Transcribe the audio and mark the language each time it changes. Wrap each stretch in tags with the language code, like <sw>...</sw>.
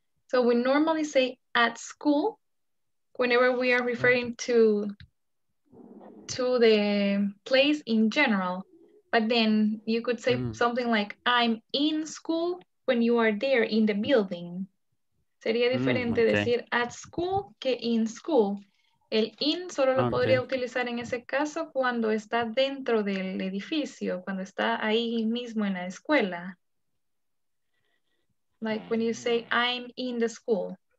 <en>So we normally say at school. Whenever we are referring to the place in general, but then you could say something like I'm in school when you are there in the building.</en> <es>Sería diferente decir</es> <en>at school</en> <es>que</es> <en>in school.</en> <es>El in solo lo podría utilizar en ese caso cuando está dentro del edificio, cuando está ahí mismo en la escuela.</es> <en>Like when you say I'm in the school.</en>